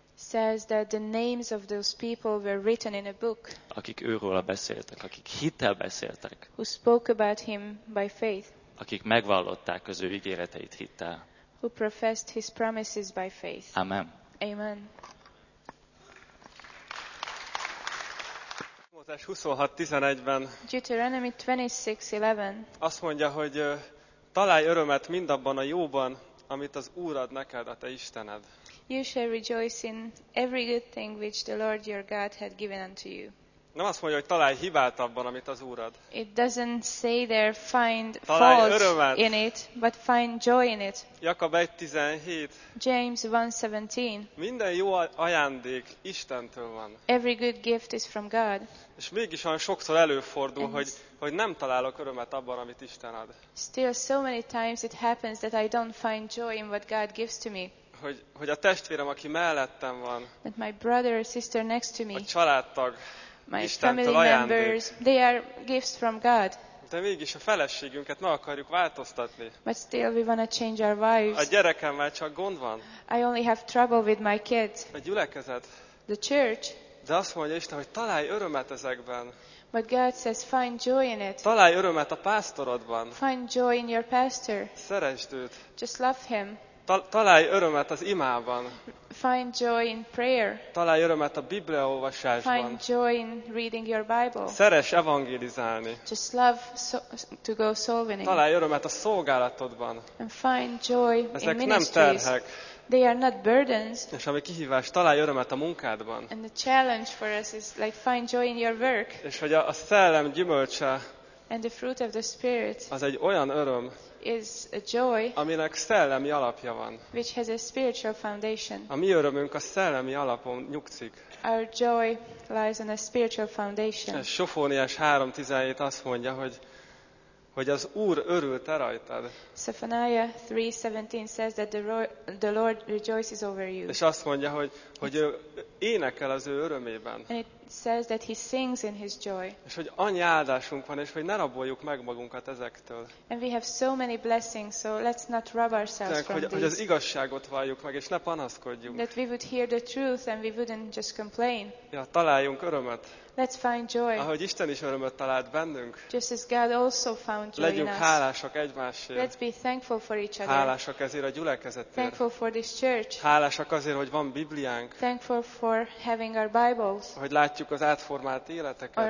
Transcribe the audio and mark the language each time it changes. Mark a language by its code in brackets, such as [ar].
[en] Says that the names of those people were written in a book. [hu] Akik őről beszéltek, akik hittel beszéltek. [en] Who spoke about him by faith. [hu] Akik megvallották az ő ígéreteit hittel. [en] Who professed his promises by faith. [hu] Amen. [en] Amen. [hu] 26:11-ben. [en] Deuteronomy 26:11. [hu] Azt mondja, hogy találj örömet mindabban a jóban, amit az Úr ad neked, a te Istened. [en] You shall rejoice in every good thing which the Lord your God had given unto you. [hu] Nem azt mondja, hogy találj hibát abban, amit az Úr ad. [en] It doesn't say there find fault in it, but find joy in it. [hu] Jakab 1:17. [en] James 1:17. [hu] Minden jó ajándék Istentől van. [en] Every good gift is from God. [hu] És mégis olyan sokszor előfordul, hogy nem találok örömet abban, amit Isten ad. [en] Still so many times it happens that I don't find joy in what God gives to me. [hu] Hogy a testvérem, aki mellettem van, [en] that my brother or sister next to me, [hu] a családtag, [en] my [hu] Istentől [en] family [hu] ajándék, [en] members, they are gifts from God. [hu] De mégis a feleségünket meg akarjuk változtatni. [en] But still we wanna change our wives. [hu] A gyerekemmel csak gond van. [en] I only have trouble with my kids. [hu] A gyülekezet. [en] The church. [hu] De azt mondja Isten, hogy találj örömet ezekben. [en] But God says, find joy in it. [hu] Találj örömet a pásztorodban. [en] Find joy in your pastor. [hu] Szeresd őt. [en] Just love him. [hu] Találj örömet az imában. [en] Find joy in prayer. [hu] Találj örömet a Biblia olvasásban. [en] Find joy in reading your Bible. [hu] Szeress evangelizálni. [en] Just love to go soul winning. [hu] Találj örömet a szolgálatodban. [en] And find joy in ministries. [hu] Ezek nem terhek. [en] They are not burdens. [hu] És ami kihívás, találj örömet a munkádban. [en] And the challenge for us is like find joy in your work. [hu] És hogy a szellem gyümölcse. [en] And the fruit of the spirit. [hu] Az egy olyan öröm. [en] Is a joy, [hu] aminek szellemi alapja van. [en] Which has a spiritual foundation. [hu] A mi örömünk a szellemi alapon nyugszik. [en] Our joy lies on a spiritual foundation. [hu] És Sofóniás 3:17 azt mondja, hogy az Úr örült te rajtad. [en] Sophoniah 3:17 says that the Lord rejoices over you. [hu] És azt mondja, hogy ő énekel az ő örömében. [en] And it says that he sings in his joy. [hu] És hogy annyi áldásunk van, és hogy ne raboljuk meg magunkat ezektől. [en] And we have so many blessings, so let's not rob ourselves from these. [hu] Hogy az igazságot valljuk meg, és ne panaszkodjunk. [en] That we would hear the truth and we wouldn't just complain. [hu] Ja, találjunk örömet. [en] Let's find joy. [hu] Ahogy Isten is örömet talált bennünk. [en] Just as God also found joy. [hu] Legyünk hálásak egymásért. [en] Let's be thankful for each other. [hu] Hálásak ezért a gyülekezetért. [en] Thankful for this church. [hu] Hálásak azért, hogy van Bibliánk. [en] Thankful for having our Bibles. [hu] Hogy látjuk az átformált életeket.